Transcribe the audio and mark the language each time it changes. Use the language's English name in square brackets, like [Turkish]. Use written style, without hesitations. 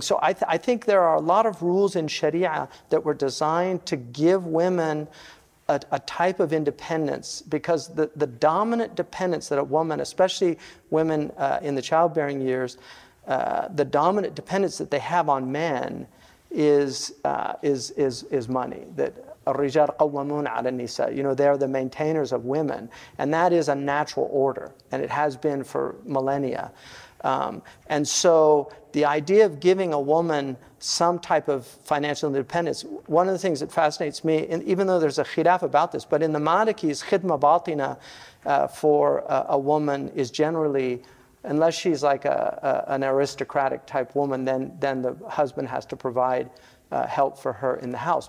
[English] So I think there are a lot of rules in Sharia that were designed to give women a type of independence, because the dominant dependence that a woman, especially women in the childbearing years, the dominant dependence that they have on men is money. That [Arabic] الرجال قوامون على النساء. [English] You know, they're the maintainers of women. And that is a natural order. And it has been for millennia. And so the idea of giving a woman some type of financial independence, one of the things that fascinates me, and even though there's a khilaf about this, but in the Malikis, khidma batina for a woman is generally, unless she's like an aristocratic type woman, then the husband has to provide help for her in the house.